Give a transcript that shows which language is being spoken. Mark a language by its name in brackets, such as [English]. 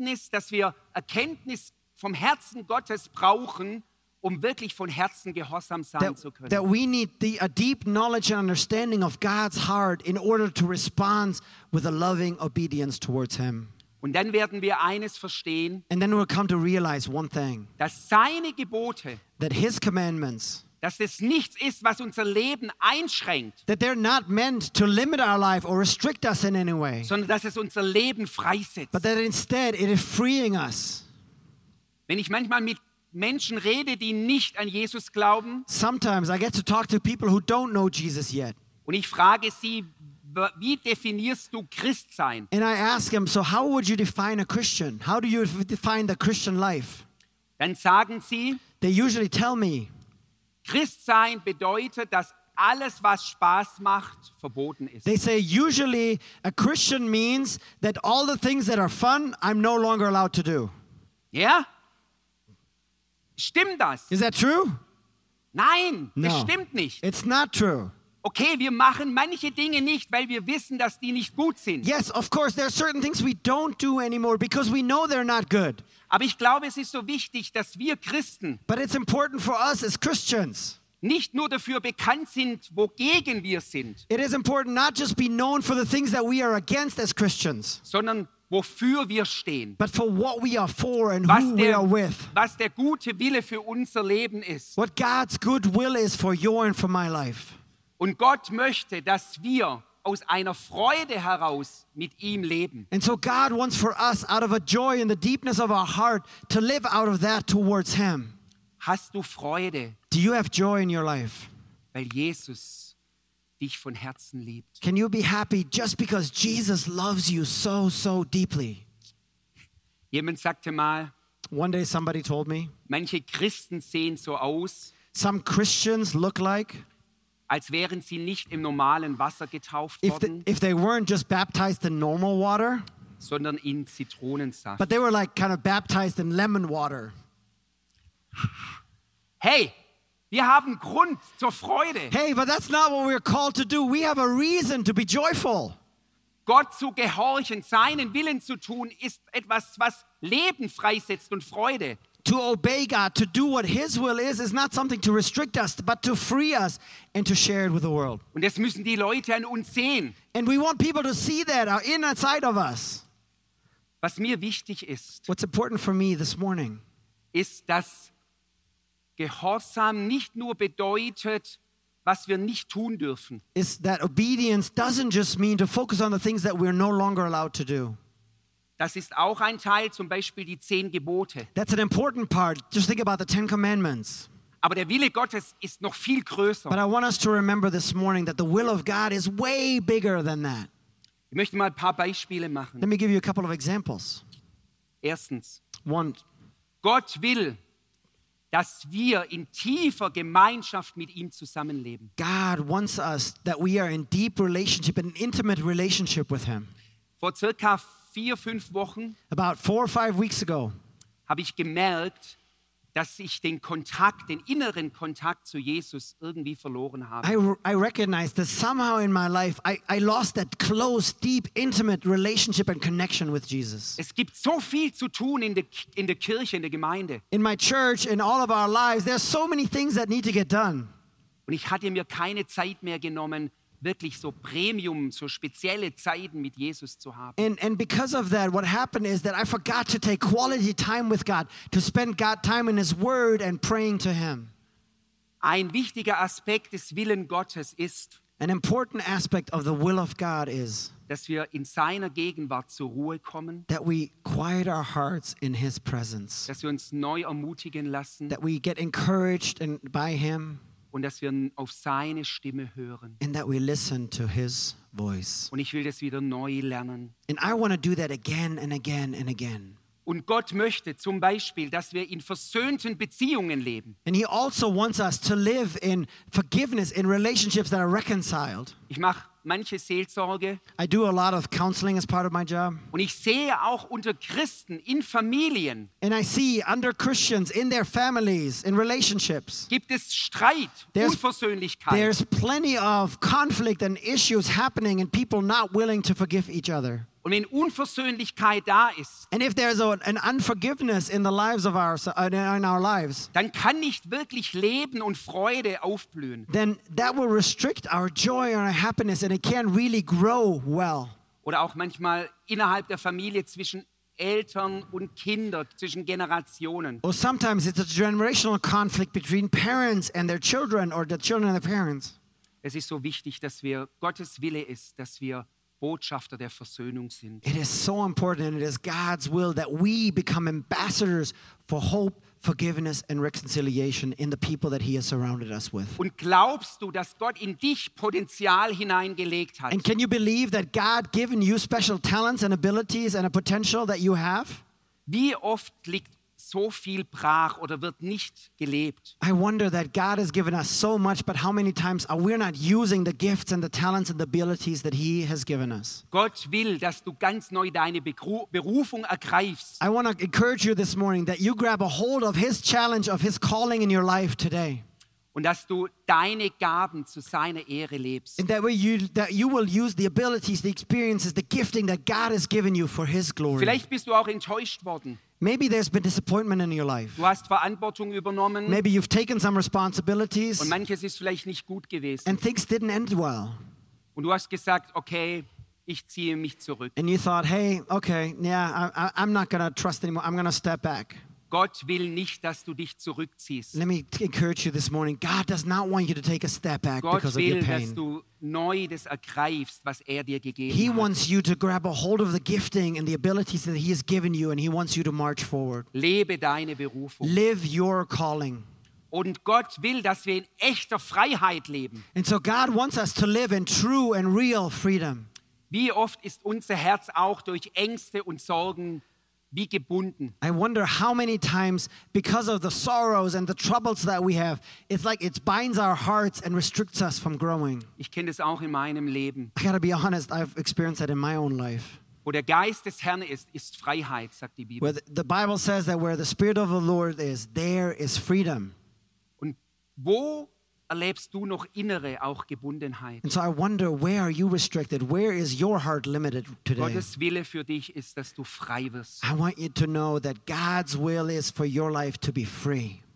[German] Dass wir Erkenntnis vom Herzen Gottes brauchen, um wirklich von Herzen gehorsam sein zu können. [English] That we need a deep knowledge and understanding of God's heart in order to respond with a loving obedience towards him. [German] Und dann werden wir eines verstehen. [English] And then we'll come to realize one thing. [German] Dass seine Gebote, [English] that his commandments, [German] dass es nichts ist, was unser Leben einschränkt. [English] That they're not meant to limit our life or restrict us in any way. [German] Sondern dass es unser Leben freisetzt. [English] But that instead it is freeing us. [German] Wenn ich manchmal mit Menschen rede, die nicht an Jesus glauben. [English] Sometimes I get to talk to people who don't know Jesus yet. [German] Und ich frage sie, wie definierst du Christsein? [English] And I ask them, so how would you define a Christian? How do you define the Christian life? [German] Dann sagen sie, [English] they usually tell me, [German] Christsein bedeutet, dass alles, was Spaß macht, verboten ist. [English] They say usually a Christian means that all the things that are fun, I'm no longer allowed to do. [German] Yeah? Stimmt das? [English] Is that true? [German] Nein, no, das stimmt nicht. [English] It's not true. [German] Okay, wir machen manche Dinge nicht, weil wir wissen, dass die nicht gut sind. [English] Yes, of course, there are certain things we don't do anymore because we know they're not good. [German] Aber ich glaube, es ist so wichtig, dass wir Christen, [English] but it's important for us as Christians, [German] nicht nur dafür bekannt sind, wogegen wir sind. [English] It is important not just be known for the things that we are against as Christians, [German] sondern wofür wir stehen. [English] But for what we are for and who we are with. [German] Was der gute Wille für unser Leben ist. [English] What God's good will is for your and for my life. [German] Und Gott möchte, dass wir aus einer Freude heraus mit ihm leben. [English] And so God wants for us out of a joy in the deepness of our heart to live out of that towards him. [German] Hast du Freude? [English] Do you have joy in your life? [German] Weil Jesus dich von Herzen liebt. [English] Can you be happy just because Jesus loves you so, so deeply? [German] Jemand sagte mal, [English] one day somebody told me, [German] manche Christen sehen so aus, [English] some Christians look like, [German] als wären sie nicht im normalen Wasser getauft worden, [English] if they weren't just baptized in normal water, [German] sondern in Zitronensaft. [English] But they were like kind of baptized in lemon water. [German] Hey, wir haben Grund zur Freude. [English] Hey, but that's not what we're called to do. We have a reason to be joyful. [German] Gott zu gehorchen, seinen Willen zu tun, ist etwas, was Leben freisetzt und Freude. [English] To obey God, to do what His will is not something to restrict us, but to free us and to share it with the world. [German] Und das müssen die Leute an uns sehen. [English] And we want people to see that inside of us. [German] Was mir wichtig ist, [English] what's important for me this morning, [German] ist, dass Gehorsam nicht nur bedeutet, was wir nicht tun dürfen. [English] Is that obedience doesn't just mean to focus on the things that we're no longer allowed to do. [German] Das ist auch ein Teil, zum Beispiel die 10 Gebote. [English] That's an important part. Just think about the 10 commandments. [German] Aber der Wille Gottes ist noch viel größer. [English] But I want us to remember this morning that the will of God is way bigger than that. [German] Ich möchte mal ein paar Beispiele machen. [English] Let me give you a couple of examples. [German] Erstens. [English] One. [German] Gott will, dass wir in tiefer Gemeinschaft mit ihm zusammenleben. [English] God wants us that we are in deep relationship, in an intimate relationship with him. [German] Vor circa 4-5 Wochen, [English] about 4 or 5 weeks ago, [German] habe ich gemerkt, dass ich den Kontakt, den inneren Kontakt zu Jesus irgendwie verloren habe. [English] I recognized that somehow in my life I lost that close, deep, intimate relationship and connection with Jesus. [German] Es gibt so viel zu tun in der Kirche, in der Gemeinde. [English] In my church, in all of our lives, there are so many things that need to get done. [German] Und ich hatte mir keine Zeit mehr genommen, wirklich so Premium, so spezielle Zeiten mit Jesus zu haben. [English] And because of that, what happened is that I forgot to take quality time with God, to spend God time in His Word and praying to Him. [German] Ein wichtiger Aspekt des Willen Gottes ist, [English] an important aspect of the will of God is, [German] dass wir in seiner Gegenwart zur Ruhe kommen, [English] that we quiet our hearts in His presence, [German] dass wir uns neu ermutigen lassen, [English] that we get encouraged by Him, [German] und dass wir auf seine Stimme hören. [English] And that we listen to his voice. [German] Und ich will das wieder neu lernen. [English] And I want to do that again and again and again. [German] Und Gott möchte zum Beispiel, dass wir in versöhnten Beziehungen leben. [English] And he also wants us to live in forgiveness, in relationships that are reconciled. [German] Ich mache manche Seelsorge. [English] I do a lot of counseling as part of my job. [German] Und ich sehe auch unter Christen in Familien. [English] And I see under Christians in their families, in relationships. [German] Gibt es Streit, Unversöhnlichkeit. [English] There's plenty of conflict and issues happening and people not willing to forgive each other. [German] Und wenn Unversöhnlichkeit da ist, [English] and if there's an unforgiveness in the lives of ours, in our lives, [German] dann kann nicht wirklich Leben und Freude aufblühen. [English] Then that will restrict our joy and our happiness, and it can't really grow well. [German] Oder auch manchmal innerhalb der Familie zwischen Eltern und Kindern, zwischen Generationen. [English] Or sometimes it's a generational conflict between parents and their children, or the children and their parents. [German] Es ist so wichtig, dass wir Gottes Wille ist, dass wir Botschafter der Versöhnung sind. [English] It is so important, and it is God's will that we become ambassadors for hope, forgiveness, and reconciliation in the people that He has surrounded us with. [German] Und glaubst du, dass Gott in dich Potenzial hineingelegt hat? [English] And can you believe that God given you special talents and abilities and a potential that you have? [German] Wie oft liegt so viel brach oder wird nicht gelebt? [English] I wonder that God has given us so much, but how many times are we not using the gifts and the talents and the abilities that He has given us? [German] Gott will, dass du ganz neu deine Berufung ergreifst. [English] I want to encourage you this morning that you grab a hold of His challenge, of His calling in your life today. [German] Und dass du deine Gaben zu seiner Ehre lebst. [English] And that way you will use the abilities, the experiences, the gifting that God has given you for His glory. [German] Vielleicht bist du auch enttäuscht worden. [English] Maybe there's been disappointment in your life. [German] Du hast Verantwortung übernommen. [English] Maybe you've taken some responsibilities. [German] Und manches ist vielleicht nicht gut gewesen. [English] And things didn't end well. [German] Und du hast gesagt, okay, ich ziehe mich zurück. [English] And you thought, hey, okay, yeah, I'm not gonna trust anymore. I'm gonna step back. [German] Gott will nicht, dass du dich zurückziehst. [English] Let me encourage you this morning. God does not want you to take a step back [German] Gott [English] because [German] will, [English] of your pain. [German] Dass du neu das ergreifst, was dir gegeben [English] he [German] hat. [English] Wants you to grab a hold of the gifting and the abilities that He has given you, and He wants you to march forward. [German] Lebe deine Berufung. [English] Live your calling. [German] Und Gott will, dass wir in echter Freiheit leben. [English] And so God wants us to live in true and real freedom. [German] Wie oft ist unser Herz auch durch Ängste und Sorgen wie gebunden. [English] I wonder how many times, because of the sorrows and the troubles that we have, it's like it binds our hearts and restricts us from growing. [German] Ich kenne das auch in meinem Leben. [English] I gotta be honest, I've experienced that in my own life. [German] Wo der Geist des Herrn ist, ist Freiheit, sagt die Bibel. [English] The Bible says that where the Spirit of the Lord is, there is freedom. [German] Und wo erlebst du noch innere auch Gebundenheit? [English] And so I wonder, where are you restricted? Where is your heart limited today? [German] Gottes Wille für dich ist, dass du frei wirst. [English] I want you to know that God's will is for your life to be free.